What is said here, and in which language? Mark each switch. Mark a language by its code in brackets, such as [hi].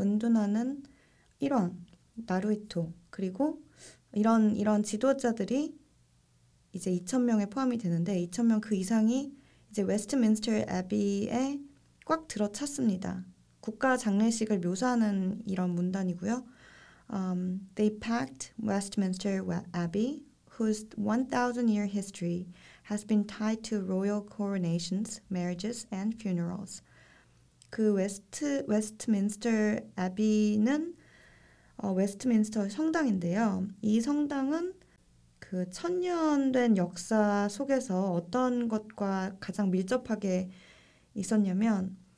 [ko] 은둔하는 일왕, 나루히토, 그리고 이런 지도자들이 이제 2,000명에 포함이 되는데 2,000명 그 이상이 이제 웨스트민스터 애비에 꽉 들어찼습니다. 국가 장례식을 묘사하는 이런 문단이고요. [en] They packed Westminster Abbey, whose 1,000-year history has been tied to royal coronations, marriages, and funerals. [ko] 그 웨스트민스터 애비는 웨스트민스터 성당인데요. 이 성당은 그 천년 된 역사 속에서 어떤 것과 가장 밀접하게 있었냐면